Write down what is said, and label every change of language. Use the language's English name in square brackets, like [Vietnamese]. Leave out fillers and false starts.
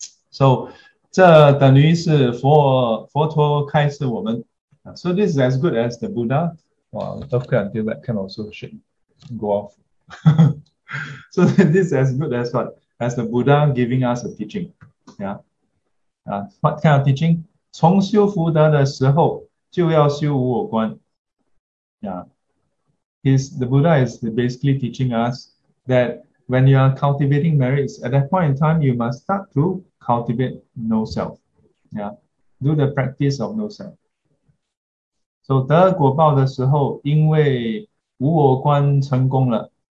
[Chinese] So, 这等于是佛陀开示我们. [English] So this is as good as the Buddha. Wow, earthquake until that can also go off. So this is as good as what? As the Buddha giving us a teaching. Yeah. What kind of teaching? [Chinese] 从修福德的时候就要修无我观. [English] Yeah. The Buddha is basically teaching us that when you are cultivating merits, at that point in time, you must start to cultivate no self. Yeah. Do the practice of no self. [Chinese] So 得果报的时候, 因为无我观成功了,